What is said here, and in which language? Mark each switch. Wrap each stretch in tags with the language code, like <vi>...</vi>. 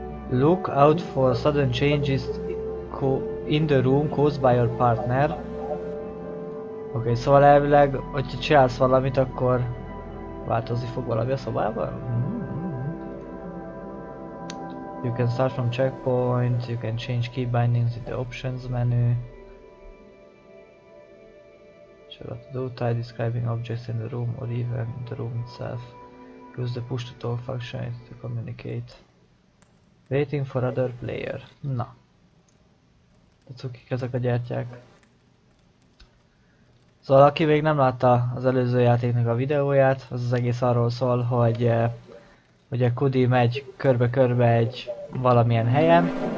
<en>Look out for sudden changes in the room caused by your partner.</en> <hu>Oké, szóval elvileg, hogyha csinálsz valamit, akkor változni fog valami a szobában?</hu> <en>You can start from checkpoint, you can change key bindings in the options menu. Show what to do, tie describing objects in the room or even the room itself. Use the push to talk function to communicate. Waiting for other player.</en> <hu>Na. De cukik ezek a gyertyák. Szóval aki még nem látta az előző játéknak a videóját, az az egész arról szól, hogy ugye Kudi megy körbe-körbe egy valamilyen helyen.</hu>